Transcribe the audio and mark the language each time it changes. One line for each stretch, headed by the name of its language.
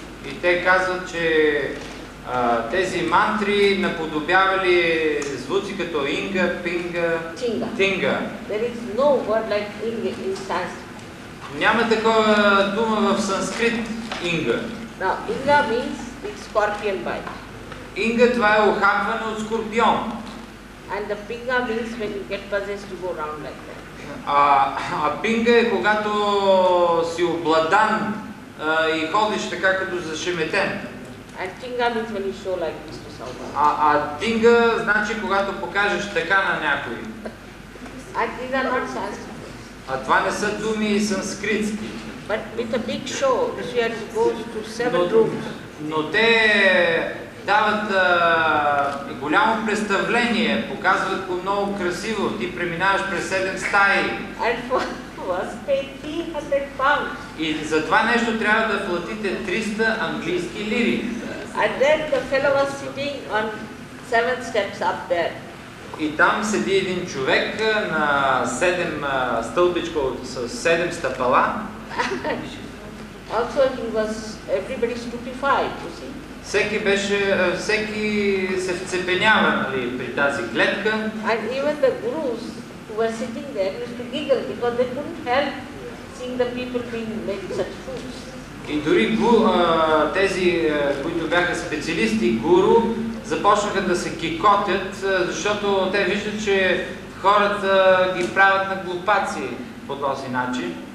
Bulgarian: И те казват, че тези мантри наподобявали звуци като инга, пинга,
English: тинга. There is no word like inga in Sanskrit.
Bulgarian: Няма такова дума в санскрит инга.
English: Now, inga means big scorpion bite.
Bulgarian: Инга, това е ухапване от скорпион.
English: And the pinga means when you get possessed to go around like that.
Bulgarian: А пинга е когато си обладан и ходиш така като зашеметен.
English: And tinga means when you show like this to someone.
Bulgarian: А тинга значи когато покажеш така на някой.
English: And these are not Sanskrit.
Bulgarian: А това не са думи санскритски.
English: But with a big show, she had to go to seven rooms.
Bulgarian: Но те дават голямо представление, показват го много красиво, ти преминаваш през 7 стаи.
English: And was paid 300 pounds.
Bulgarian: И за това нещо трябва да платите 300 английски лири.
English: And then the fellow was sitting on 7 steps up there.
Bulgarian: И там седи един човек на 7 стълбичка с 7 стъпала.
English: Also he was everybody stupefied, you see.
Bulgarian: Всеки се вцепенява, нали, при тази гледка.
English: And even the gurus who were sitting there used to giggle because they couldn't help seeing the people being made such fools.
Bulgarian: И дори тези, които бяха специалисти, гуру, започнаха да се кикотят, защото те виждат, че хората ги правят на глупаци по този начин.